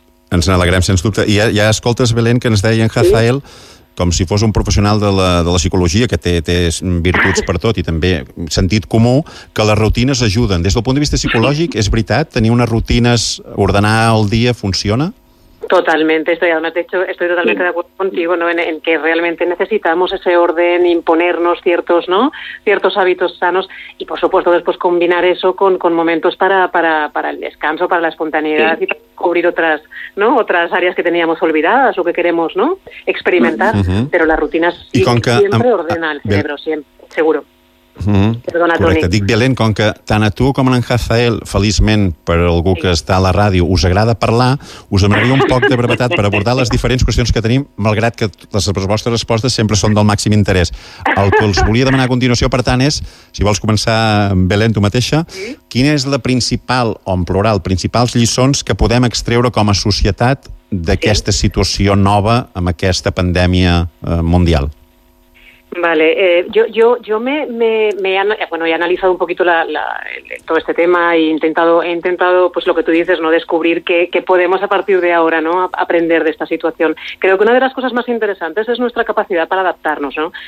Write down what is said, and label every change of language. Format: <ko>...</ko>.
<ca>Ens n'alegrem, sens dubte. I ja escoltes, Belén, que ens deia en Hazael, com si fos un professional de la psicologia, que té virtuts per tot i també sentit comú, que les rutines ajuden. Des del punt de vista psicològic, és veritat? Tenir unes rutines, ordenar el dia, funciona?</ca> <es>Totalmente, estoy, además, de hecho, estoy totalmente de acuerdo contigo, ¿no? En que realmente necesitamos ese orden, imponernos ciertos, ¿no? Ciertos hábitos sanos y, por supuesto, después combinar eso con momentos para el descanso, para la espontaneidad y para cubrir otras, ¿no? Otras áreas que teníamos olvidadas o que queremos, ¿no? Experimentar, pero la rutina siempre ordena el cerebro, siempre, seguro.</es> <ca>Correcte, dic, Belén, com que tant a tu com a en Rafael, feliçment per algú que està a la ràdio, us agrada parlar, us demanaria un poc de brevetat per abordar les diferents qüestions que tenim, malgrat que les vostres respostes sempre són del màxim interès. El que els volia demanar a continuació, per tant, és, si vols començar, Belén, tu mateixa, quina és la principal, o en plural, principals lliçons que podem extreure com a societat d'aquesta situació nova amb aquesta pandèmia mundial?</ca> <es>Vale, yo he analizado un poquito todo este tema e he intentado pues lo que tú dices, ¿no? Descubrir qué podemos a partir de ahora, ¿no? Aprender de esta situación. Creo que una de las cosas más interesantes es nuestra capacidad para adaptarnos, ¿no?</es>